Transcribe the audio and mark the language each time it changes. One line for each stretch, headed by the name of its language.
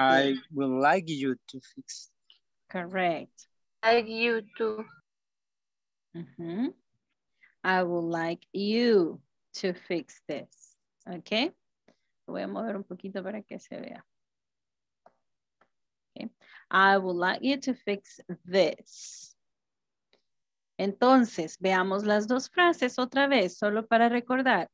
English: I would like you to fix. Correct. I like you to. Uh-huh. I would like you to fix this. Okay?
Spanish: Voy a mover un poquito para que se vea.
English: Okay. I would like you to fix this.
Spanish: Entonces, veamos las dos frases otra vez, solo para recordar.